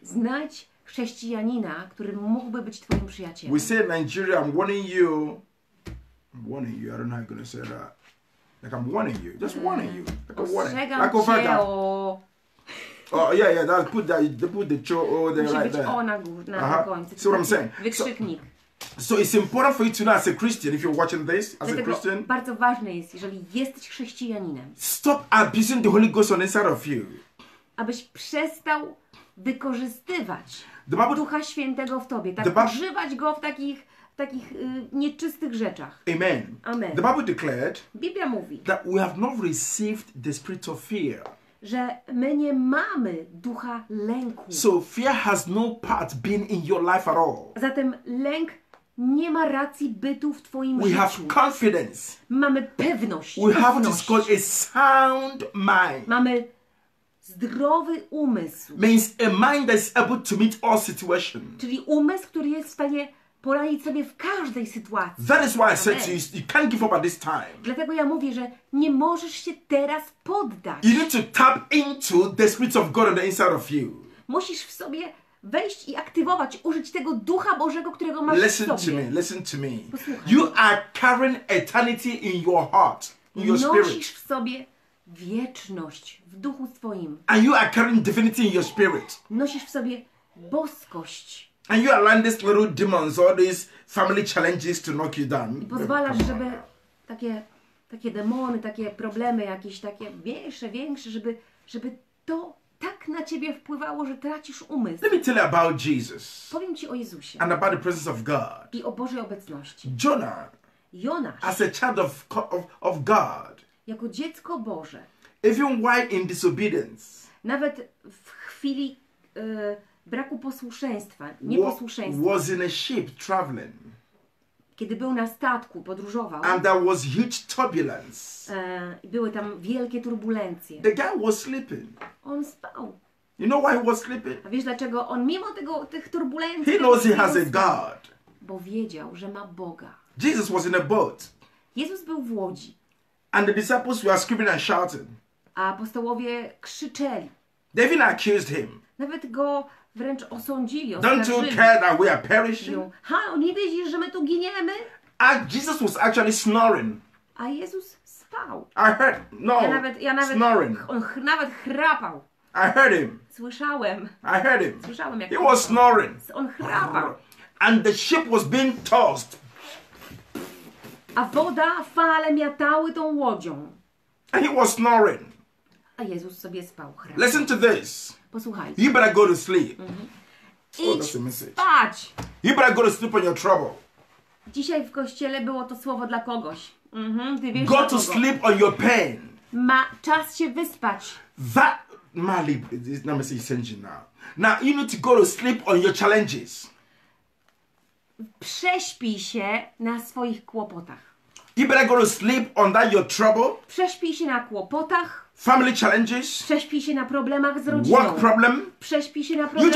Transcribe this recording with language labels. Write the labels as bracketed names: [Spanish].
[Polish] Znajdź chrześcijanina, który mógłby być twoim przyjacielem. [English] We say in Nigeria, I'm warning you. I'm warning you, I don't know how you're gonna say that. Like I'm warning you, just warning you. Like [Polish] ostrzegam [English] a warning. Like oh, yeah, that, put that, they put the cho over there [Polish] musi [English] like that. [Polish] Musi być o na końcu. [English] See what I'm saying? [Polish] Wykrzyknik. [English] So it's important for you to know as a Christian, if you're watching this, as [Polish] dlatego [English] a Christian. [Polish] Bardzo ważne jest, jeżeli jesteś chrześcijaninem. [English] Stop abusing the Holy Ghost on inside of you. [Polish] Abyś przestał wykorzystywać Ducha Świętego w tobie, tak używać go w takich nieczystych rzeczach. [English] Amen. Amen. The Bible declared, [Polish] Biblia mówi, [English] that we have not received the spirit of fear. [Polish] że my nie mamy ducha lęku. [English] So fear has no part been in your life at all. [Polish] Zatem lęk nie ma racji bytu w twoim [English] we [Polish] życiu. [English] Have confidence. [Polish] Mamy pewność. [English] We have what is called a sound mind. [Polish] Mamy zdrowy umysł. [English] Means a mind that is able to meet all situations. [Polish] Czyli umysł, który jest w stanie poradzić sobie w każdej sytuacji. [English] That is why I said to you, you can't give up at this time. [Polish] Dlatego ja mówię, że nie możesz się teraz poddać. [English] You need to tap into the spirit of God on the inside of you. [Polish] Musisz w sobie wejść i aktywować, użyć tego Ducha Bożego, którego masz [English] listen [Polish] w sobie. [English] Listen to me, listen to me. [Polish] Posłuchaj. [English] You are carrying eternity in your heart, in your spirit. [Polish] Nosisz w sobie wieczność w duchu swoim. [English] And you are carrying divinity in your spirit. [Polish] Nosisz w sobie boskość. [English] And you allow these little demons, all these family challenges to knock you down. [Polish] I pozwalasz, żeby takie demony, takie problemy jakieś takie większe, żeby to tak na ciebie wpływało, że tracisz umysł. [English] Let me tell you about Jesus. [Polish] Powiem ci o Jezusie. [English] And about the presence of God. [Polish] I o Bożej obecności. [English] Jonah. [Polish] Jonasz. [English] As a child of God. [Polish] Jako dziecko Boże. [English] Even while in disobedience. [Polish] Nawet w chwili braku posłuszeństwa, nieposłuszeństwa. [English] Was in a ship traveling. [Polish] Kiedy był na statku, podróżował. [English] And there was huge turbulence. [Polish] Były tam wielkie turbulencje. [English] The guy was sleeping. [Polish] On spał. [English] You know why he was sleeping? [Polish] A wiesz dlaczego on mimo tego tych turbulencji? [English] He knows he has a God. [Polish] Bo wiedział, że ma Boga. [English] Jesus was in a boat. [Polish] Jezus był w łodzi. [English] And the disciples were screaming and shouting. [Polish] A apostołowie krzyczeli. [English] They even accused him. [Polish] Nawet go wręcz osądzili, [English] don't you care that we are perishing? [Polish] Ha, nie widzisz, że my tu giniemy? [English] And Jesus was actually snoring. [Polish] A Jezus spał. [English] I heard, no, [Polish] ja nawet, [English] snoring. [Polish] On nawet chrapał. [English] I heard him. [Polish] Słyszałem. [English] I heard him. [Polish] Słyszałem, jak [English] he was snoring. [Polish] On chrapał. [English] And the ship was being tossed. [Polish] A woda, fale miatały tą łodzią. [English] And he was snoring. [Polish] A Jezus sobie spał, chrapał. [English] Listen to this. [Polish] Posłuchaj. [English] You better go to sleep. [Polish] Mm-hmm. Idź spać. [English] You better go to sleep on your trouble. [Polish] Dzisiaj w kościele było to słowo dla kogoś. Mm-hmm. Ty wiesz [English] go to sleep on your pain. [Polish] Ma czas się wyspać. [English] That Mali, this message is changing now. Now you need to go to sleep on your challenges. [Polish] Prześpi się na swoich kłopotach. [English] You better go to sleep on that your trouble. [Polish] Prześpi się na kłopotach. [English] Family challenges. [Polish] Prześpi się na problemach z rodziną. [English] Work problem. [Polish] Prześpi się na problemach.